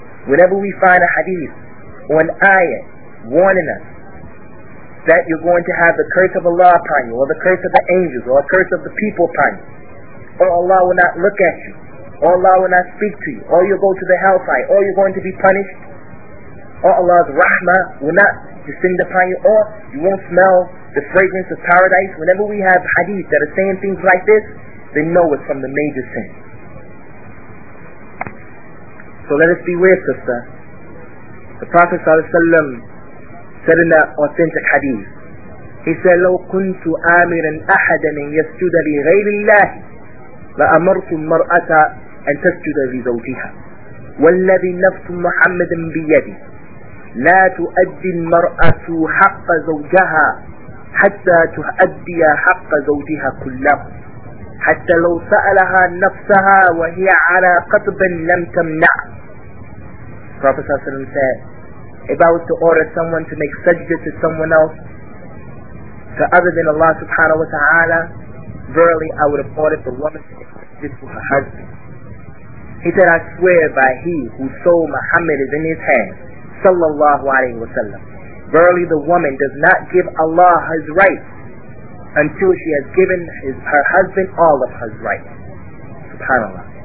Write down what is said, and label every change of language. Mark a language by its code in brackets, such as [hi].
[en] Whenever we find a hadith or an ayah warning us that you're going to have the curse of Allah upon you, or the curse of the angels, or the curse of the people upon you, or Allah will not look at you, or Allah will not speak to you, or you'll go to the hellfire, or you're going to be punished, or Allah's rahmah will not descend upon you, or you won't smell the fragrance of paradise. Whenever we have hadith that are saying things like this, then know it's from the major sin. So let us beware, sister. The Prophet ﷺ said in that authentic hadith, he said, [ar] لَوْ كُنْتُ آمِرًا أَحَدًا أَنْ يَسْجُدَ لِغَيْرِ اللَّهِ لَأَمَرْتُ الْمَرْأَةَ أَنْ تَسْجُدَ لِزَوْجِهَا وَالَّذِي نَفْسُ مُحَمَّدٍ بِيَدِهِ لَا تُؤَدِّي الْمَرْأَةُ حَقَّ زَوْجَهَا حَتَّى تُؤَدِّي حَقَّ زَوْجِهَا كُلَّهُ حَتَّى لَوْ سَأَلَهَا نَفْسَهَا وَهِيَ عَلَى قَطْبٍ لَمْ تَمْنَعْ. [en] Prophet ﷺ said, if I was to order someone to make sajda to someone else, to other than Allah subhanahu wa ta'ala, verily I would have ordered the woman to make sajda to her husband. He said, I swear by he whose soul Muhammad is in his hand, sallallahu alayhi wa sallam, verily the woman does not give Allah his rights until she has given her husband all of his rights. SubhanAllah.